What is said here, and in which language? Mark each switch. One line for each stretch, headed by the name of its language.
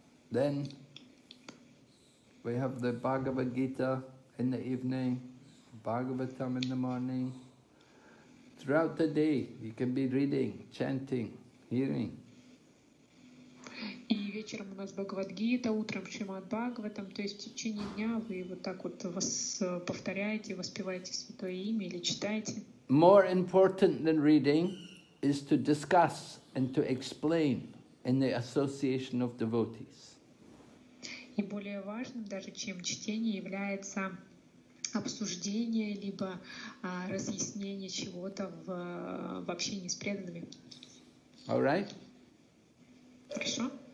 English: Then we have the Bhagavad Gita in the evening. Bhagavatam in the morning. Throughout the day, you can be reading, chanting, hearing.
Russian: И вечером у нас Бхагавад Гита, утром Шримад Бхагаватам. То есть в течение дня вы вот так вот повторяете, воспеваете святое имя или читаете.
English: More important than reading is to discuss and to explain in the association of devotees.
Russian: И более важным даже, чем чтение, является обсуждение либо разъяснение чего-то в общении с преданными.
English: All right.
Russian: Хорошо.